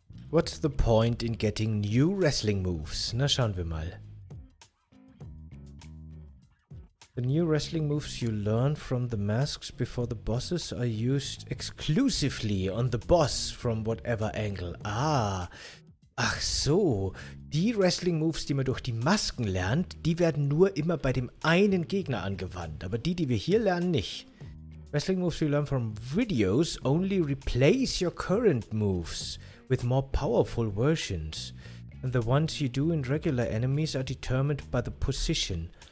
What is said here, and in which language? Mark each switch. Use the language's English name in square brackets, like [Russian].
[English] What's the point in getting new wrestling moves? [German] Na, schauen wir mal. [English] The new wrestling moves you learn from the masks before the bosses are used exclusively on the boss from whatever angle. [German] Ah, ach so. Die wrestling moves, die man durch die Masken lernt, die werden nur immer bei dem einen Gegner angewandt. Aber die, die wir hier lernen, nicht. [English] Wrestling moves you learn from videos only replace your current moves with more powerful versions. And the ones you do in regular enemies are determined by the position.